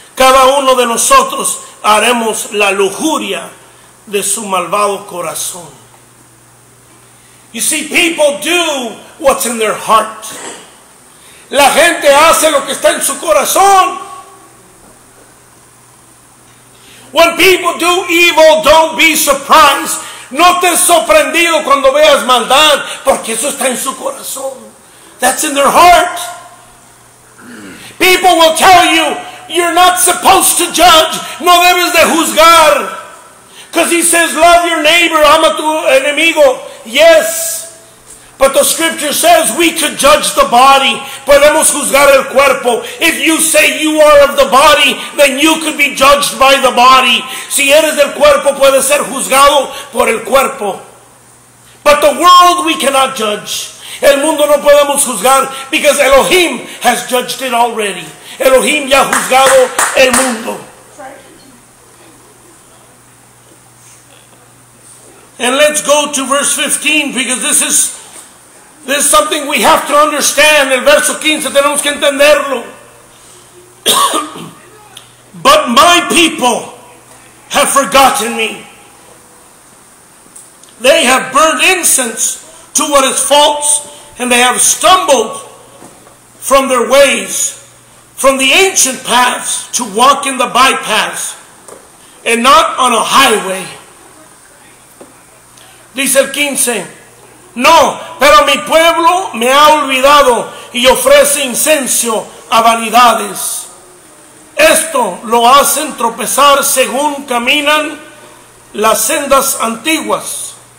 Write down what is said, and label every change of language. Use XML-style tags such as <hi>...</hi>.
<es>Cada uno de nosotros haremos la lujuria de su malvado corazón.</es> <en>You see, people do what's in their heart.</en> <es>La gente hace lo que está en su corazón.</es> <en>When people do evil, don't be surprised.</en> <es>No te sorprendido cuando veas maldad, porque eso está en su corazón.</es> <en>That's in their heart. People will tell you, you're not supposed to judge.</en> <es>No debes de juzgar.</es> <en>Because he says, love your neighbor,</en> <es>ama tu enemigo.</es> <en>Yes. But the scripture says we could judge the body.</en> <es>Podemos juzgar el cuerpo.</es> <en>If you say you are of the body, then you could be judged by the body.</en> <es>Si eres del cuerpo, puedes ser juzgado por el cuerpo.</es> <en>But the world we cannot judge.</en> <es>El mundo no podemos juzgar,</es> <en>because Elohim has judged it already.</en> <es>Elohim ya ha juzgado el mundo.</es> <en>And let's go to verse 15, because this is something we have to understand.</en> <es>El verso 15, tenemos que entenderlo.</es> <en>But my people have forgotten me. They have burned incense to what is false, and they have stumbled from their ways, from the ancient paths, to walk in the bypaths and not on a highway.</en> <es>Dice el 15. No, pero mi pueblo me ha olvidado y ofrece incenso a vanidades. Esto lo hacen tropezar según caminan las sendas antiguas.</es>